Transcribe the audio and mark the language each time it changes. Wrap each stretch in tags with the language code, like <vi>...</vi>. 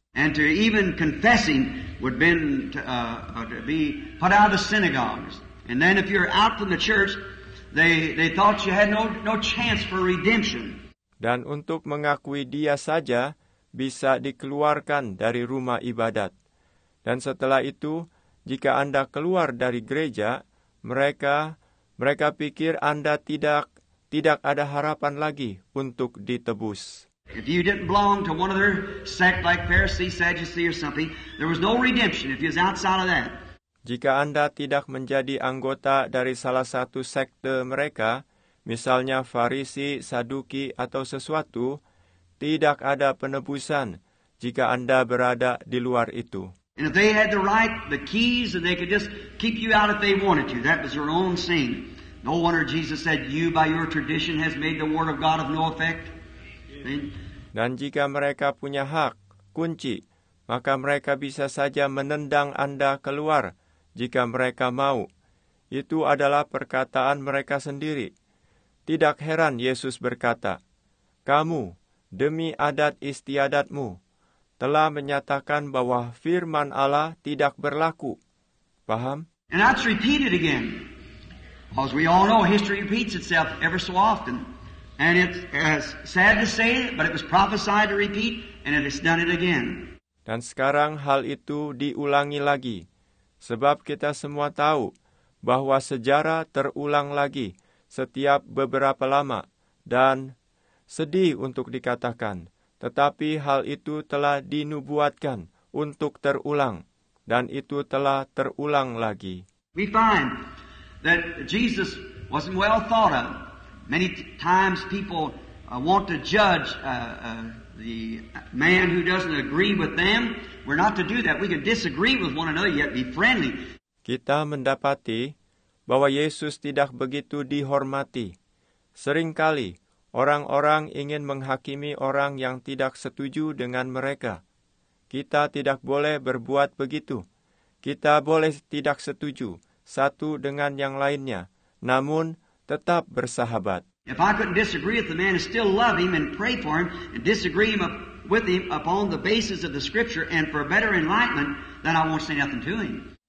<en>and to even confessing would been to be put out of the synagogues, and then if you're out from the church, they thought you had no chance for redemption.</en> <id>Dan untuk mengakui dia saja bisa dikeluarkan dari rumah ibadat. Dan setelah itu, jika Anda keluar dari gereja, mereka pikir Anda tidak ada harapan lagi untuk ditebus.</id> <en>If you didn't belong to one of their sect like Pharisees, Sadducees or something, there was no redemption if you was outside of that.</en> <id>Jika Anda tidak menjadi anggota dari salah satu sekte mereka, misalnya Farisi, Saduki atau sesuatu, tidak ada penebusan jika Anda berada di luar itu.</id> <en>And if they had the right, the keys, and they could just keep you out if they wanted to. That was their own sin. No wonder Jesus said, "You by your tradition has made the word of God of no effect."</en> <id>Dan jika mereka punya hak, kunci, maka mereka bisa saja menendang Anda keluar jika mereka mau. Itu adalah perkataan mereka sendiri. Tidak heran Yesus berkata, "Kamu, demi adat istiadatmu, telah menyatakan bahwa firman Allah tidak berlaku. Paham?</id> <en>And that's repeated again. Because we all know history repeats itself ever so often. And it's sad to say it, but it was prophesied to repeat, and it has done it again.</en> <id>Dan sekarang hal itu diulangi lagi. Sebab kita semua tahu bahwa sejarah terulang lagi setiap beberapa lama. Dan sedih untuk dikatakan, tetapi hal itu telah dinubuatkan untuk terulang. Dan itu telah terulang lagi.</id> <en>We find that Jesus wasn't well thought of. Many times people want to judge the man who doesn't agree with them. We're not to do that. We can disagree with one another yet be friendly.</en> <id>Kita mendapati bahwa Yesus tidak begitu dihormati. Seringkali orang-orang ingin menghakimi orang yang tidak setuju dengan mereka. Kita tidak boleh berbuat begitu. Kita boleh tidak setuju satu dengan yang lainnya, namun tetap bersahabat.</id> <en>If I couldn't disagree with the man and still love him and pray for him and disagree with him upon the basis of the scripture and for better enlightenment, then I won't say nothing to him.</en>